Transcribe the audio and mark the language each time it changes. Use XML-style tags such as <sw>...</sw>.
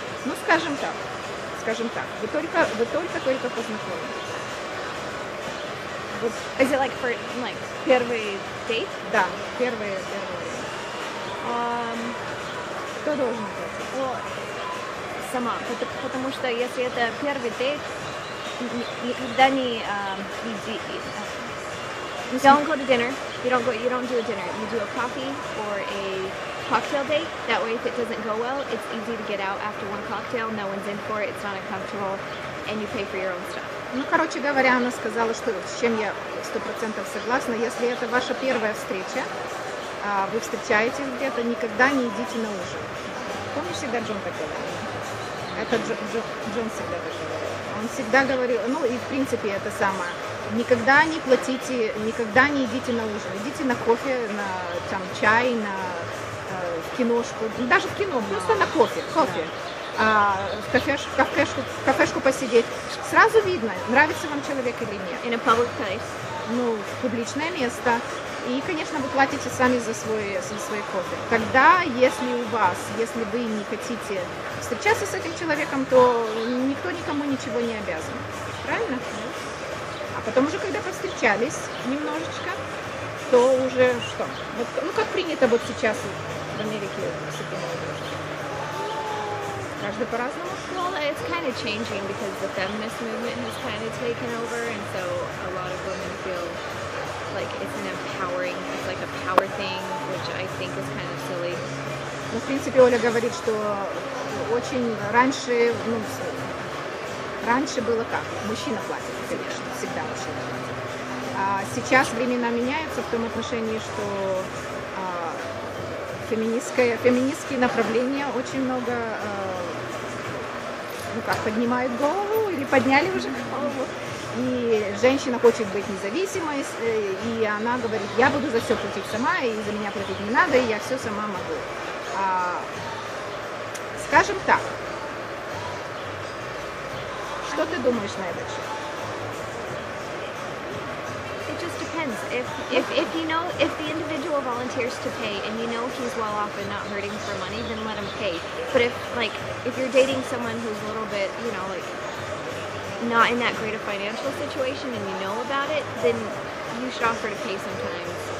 <ru>Ну, скажем так, вы только познакомились.</ru> <en>Is it like for like</en> <ru>первый</ru> <en>date?</en> <ru>Да, первый. Кто должен платить? Сама, потому что если это первый дейт, никогда не иди.</ru> <en>Don't go to dinner. You don't do a dinner. You do a coffee or a cocktail date. That way, if it doesn't go well, it's easy to get out after one cocktail. No one's in for it. It's not uncomfortable, and you pay for your own stuff.</en> <ru>Ну, короче говоря, она сказала, что с чем я 100% согласна. Если это ваша первая встреча, вы встречаетесь где-то, никогда не идите на ужин. Помнишь, всегда Джон так делал? Это Джон всегда так говорил. Он всегда говорил, ну и в принципе это самое. Никогда не платите, никогда не идите на ужин. Идите на кофе, на там, чай, на киношку. Даже в кино, просто на кофе. Кофе. Да. В кафешку посидеть. Сразу видно, нравится вам человек или нет.</ru> <en>In a public place.</en> <ru>Ну, в публичное место. И, конечно, вы платите сами за свой кофе. Тогда, если вы не хотите встречаться с этим человеком, то никто никому ничего не обязан. Правильно? А потом уже, когда повстречались немножечко, то уже что? Вот, ну, как принято вот сейчас в Америке с этим молодежью? каждый по-разному.</ru> <en>Well, it's kind of changing because the feminist movement has kind of taken over, and so a lot of women feel like it's an empowering, it's like a power thing, which I think is kind of silly.</en> <ru>Ну, в принципе, Оля говорит, что очень раньше, ну, раньше было как? Мужчина платит, конечно, всегда мужчина платит. А сейчас времена меняются в том отношении, что феминистские направления очень много ну, как, поднимают голову или подняли уже голову. И женщина хочет быть независимой, и она говорит, я буду за все платить сама, и за меня платить не надо, и я все сама могу. Скажем так, что ты думаешь на этот счет?</ru> <en>It just depends. If you know, if the individual volunteers to pay and you know he's well off and not hurting for money, then let him pay. But if, like, if you're dating someone who's a little bit, you know, like, not in that great a financial situation and you know about it, then you should offer to pay sometimes.</en>